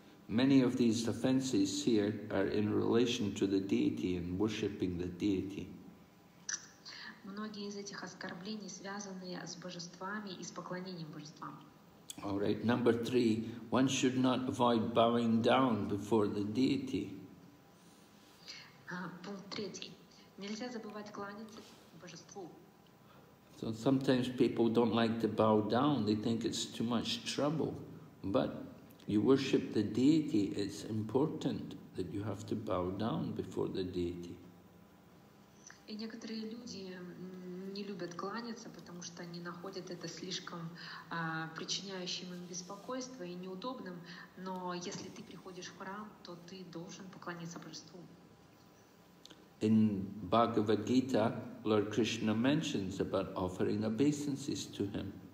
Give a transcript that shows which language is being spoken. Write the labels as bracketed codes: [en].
[en] Many of these offenses here are in relation to the deity and worshipping the deity. [ru] Многие из этих оскорблений связаны с божествами и с поклонением божествам. [en] All right, number three. One should not avoid bowing down before the deity. [ru] Пункт третий. Нельзя забывать кланяться божеству. [en] So sometimes people don't like to bow down. They think it's too much trouble. But you worship the deity. It's important that you have to bow down before the deity. [ru] И некоторые люди не любят кланяться, потому что они находят это слишком причиняющим им беспокойство и неудобным. Но если ты приходишь в храм, то ты должен поклониться Божеству. [en] In Bhagavad Gita, Lord Krishna mentions about offering obeisances to him.